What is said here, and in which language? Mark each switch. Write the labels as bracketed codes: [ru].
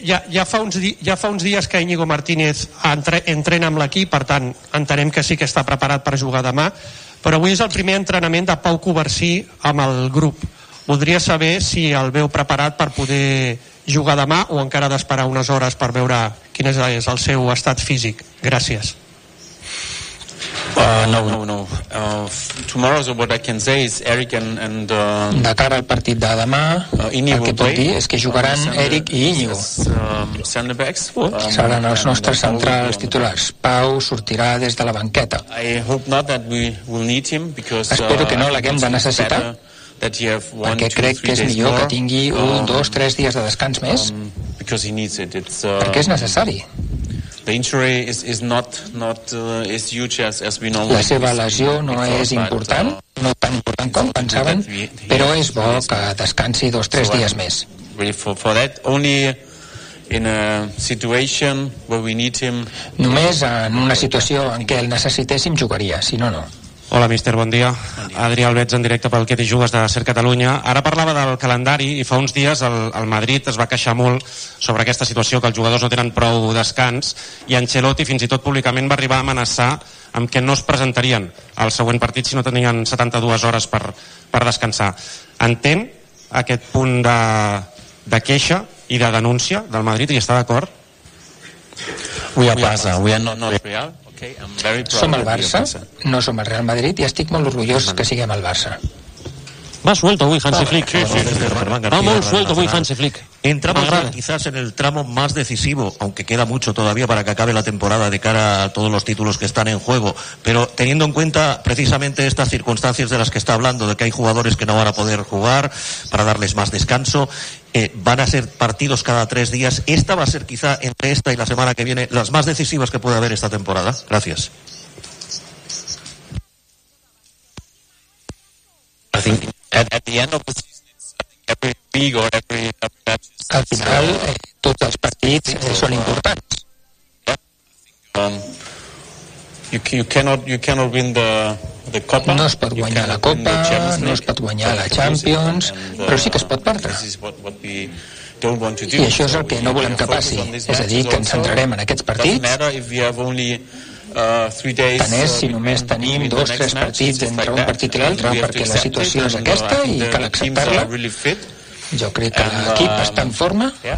[ca] Ja fa uns dies que Íñigo Martínez entrena amb l'equip, per tant, entenem que sí que està preparat per jugar demà, però avui és el primer entrenament de Pau Cubarsí amb el grup. Voldria saber si el veu preparat per poder jugar demà o encara d'esperar unes hores per veure quin és el seu estat físic. Gràcies. No. [en] Tomorrow's what I can say is Eric and [ca] de cara al partit de demà, el que puc dir és que jugaran Eric i Íñigo. Seran els nostres centrals titulars. Pau sortirà des de la banqueta. [en] I hope not that we will need him because [ca] espero que no l'haguem de necessitar, perquè crec que és millor que tingui 1-3 dies de descans més, [en] because he needs it. [ca] Perquè és necessari. [en] The injury is not as huge as we know. [ca] La seva lesió no és important, no tan important com pensaven, però és bo que descansi 2-3 dies més. [en] For that, only in a situation where we need him. [ca] Només en una situació en què el necessitéssim jugaria, si no, no. Hola, míster, bon dia. Adrià Albets, en directe pel Que t'hi jugues de Ser Catalunya. Ara parlava del calendari i fa uns dies el Madrid es va queixar molt sobre aquesta situació, que els jugadors no tenen prou descans, i Ancelotti fins i tot públicament va arribar a amenaçar amb que no es presentarien al següent partit si no tenien 72 hores per descansar. Entén aquest punt de queixa i de denúncia del Madrid i està d'acord? [en] We are not real. [ca] Som el Barça, no som el Real Madrid, i estic molt orgullós que siguem el Barça. Va suelto avui Hansi Flick. Sí, va molt suelto avui Hansi Flick. [es] Entramos ya quizás en el tramo más decisivo, aunque queda mucho todavía para que acabe la temporada de cara a todos los títulos que están en juego, pero teniendo en cuenta precisamente estas circunstancias de las que está hablando, de que hay jugadores que no van a poder jugar para darles más descanso, van a ser partidos cada tres días. ¿Esta va a ser quizá entre esta y la semana que viene las más decisivas que puede haber esta temporada? Gracias. [en] I think at the end of the season, every big or every match. [es] Al final, todos los partidos son importantes. [en] You cannot win the Copa. [ca] No es pot guanyar la Copa, no es pot guanyar la Champions, però sí que es pot perdre. I això és el que no volem que passi. És a dir, que ens centrarem en aquests partits. Doesn't matter if we have only three days. Tant és si només tenim dos, tres partits entre un partit i l'altre, perquè la situació és aquesta i cal acceptar-la. Jo crec que l'equip està en forma.